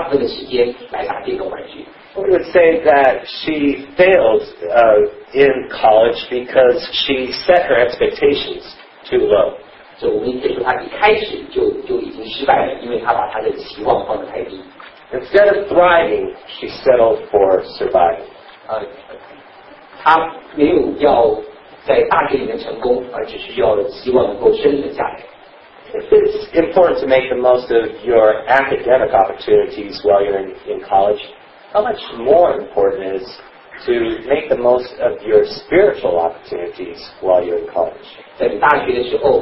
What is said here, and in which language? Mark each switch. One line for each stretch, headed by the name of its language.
Chinese: 好像你是高中第一名的毕业，但你来到大学的时候，你只希望只是很普通的能够通过你所有的课程，因为你希望能够花大部分的时间来打电动玩具。
English: We would say that she failed in college because she set her expectations too low.
Chinese: 就我们可以说她一开始就已经失败了，因为她把她的期望放得太低。
English: Instead of thriving, she settled for surviving.
Chinese: 她没有要在大学里面成功，而只是要希望能够生存下来。
English: It's important to make the most of your academic opportunities while you're in college. How much more important is to make the most of your spiritual opportunities while you're in college?